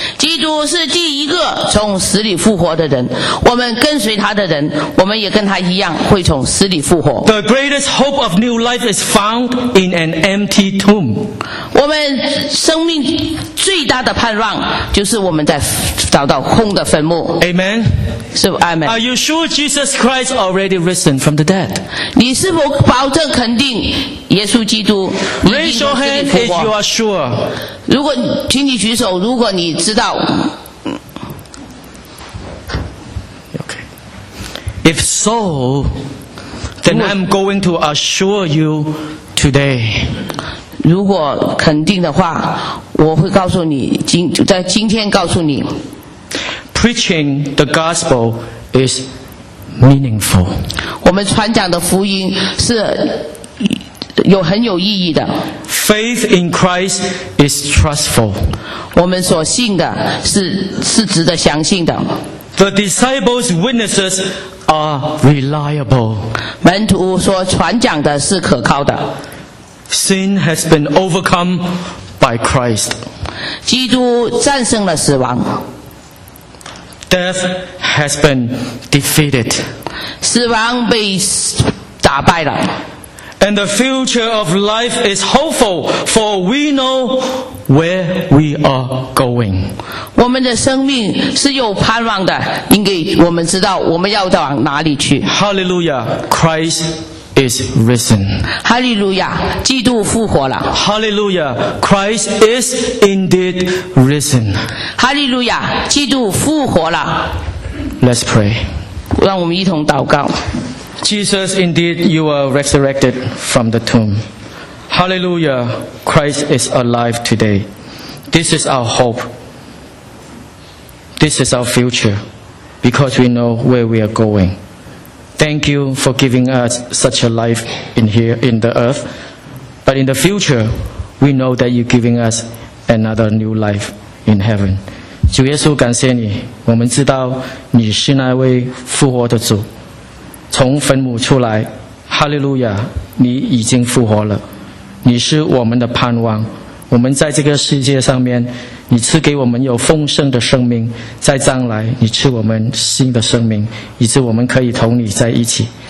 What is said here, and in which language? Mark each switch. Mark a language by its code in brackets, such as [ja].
[zh] 基督是第一个从死里复活的人我们跟随他的人我们也跟他一样会从死里复活 [en] The greatest hope of new life is found in an empty tomb [zh] 我们生命最大的盼望就是我们在找到空的坟墓 [en] Amen. So, Amen Are you sure Jesus Christ already risen from the dead? [zh] 你是否保证肯定耶稣基督 [en] Raise your hand if you are sure [zh] 如果请你举手如果你知道 [en] Okay. If so then I'm going to assure you today [zh] 如果肯定的话我会告诉你在今天告诉你 [en] Preaching the gospel is meaningful [zh] 我们传讲的福音是有很有意义的 [en] Faith in Christ is trustful [zh] 我们所信的 是值得相信的 [en] The disciples' witnesses are reliable [zh] 门徒所传讲的是可靠的 [en] Sin has been overcome by Christ. [zh] 基督战胜了死亡。 [en] Death has been defeated. [zh] 死亡被打败了。 [en] And the future of life is hopeful, for we know where we are going. [zh] 我们的生命是有盼望的，因为我们知道我们要往哪里去。 [en] Hallelujah, Christ. Is risen. [zh] Hallelujah, 基督复活了。 [en] Hallelujah, Christ is indeed risen. [zh] Hallelujah, 基督复活了。 [en] Let's pray. [zh] 让我们一同祷告。 [en] Jesus, indeed, you are resurrected from the tomb. Hallelujah, Christ is alive today. This is our hope. This is our future, because we know where we are going. Thank you for giving us such a life in here in the earth. But in the future, we know that you're giving us another new life in heaven. [zh] 主耶稣，感谢你，我们知道你是那位复活的主，从坟墓出来，哈利路亚，你已经复活了。你是我们的盼望。我们在这个世界上面，你赐给我们有丰盛的生命，在将来你赐我们新的生命，以致我们可以同你在一起。